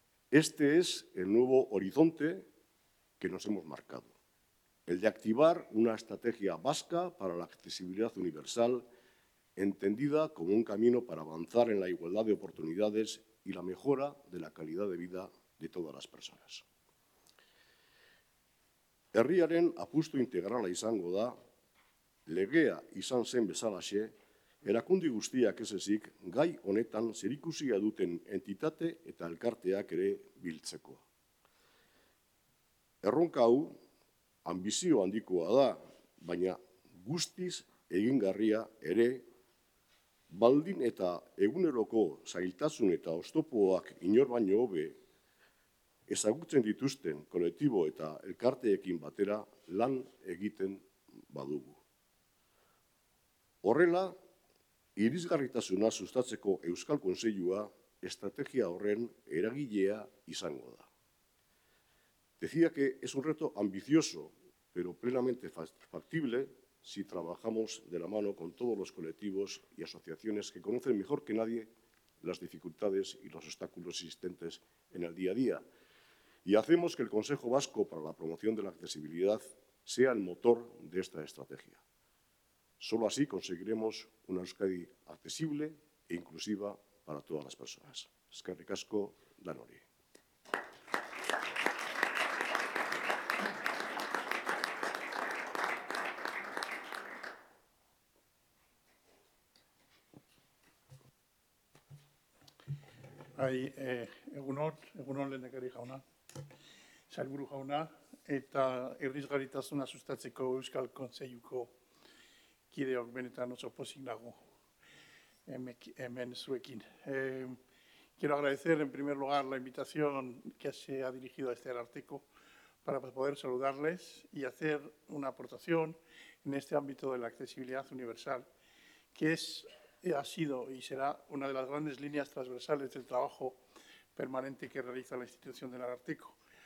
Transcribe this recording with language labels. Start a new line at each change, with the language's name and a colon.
Spanish: Este es el nuevo horizonte que nos hemos marcado, el de activar una estrategia vasca para la accesibilidad universal, entendida como un camino para avanzar en la igualdad de oportunidades y la mejora de la calidad de vida de todas las personas.
Basque: Herriaren apustu integrala izango da, legea izan zen bezalaxe, erakundi guztiak ez ezik gai honetan zerikusia duten entitate eta elkarteak ere biltzeko. Erronka hau, ambizio handikoa da, baina guztiz egingarria ere, baldin eta eguneroko zailtasun eta oztopoak inor baino hobe, ezagutzen dituzten kolektibo eta elkarteekin batera lan egiten badugu. Horrela, irisgarritasuna sustatzeko Euskal Kontseilua estrategia horren eragilea izango da.
Spanish: Decía que es un reto ambicioso, pero plenamente factible si trabajamos de la mano con todos los colectivos y asociaciones que conocen mejor que nadie las dificultades y los obstáculos existentes en el día a día. Y hacemos que el Consejo Vasco para la Promoción de la Accesibilidad sea el motor de esta estrategia. Solo así conseguiremos una Euskadi accesible e inclusiva para todas las personas.
Basque: Eskerrik asko, danori. Bai, egunon lehendakari jauna, sailburu jauna, eta irisgarritasuna sustatzeko Euskal Kontseiluko kideok, benetan oso pozik nago hemen zuekin.
Spanish: Quiero agradecer en primer lugar la invitación que se ha dirigido a este Ararteko para poder saludarles y hacer una aportación en este ámbito de la accesibilidad universal, que es ha sido y será una de las grandes líneas transversales del trabajo permanente que realiza la institución del Ararteko.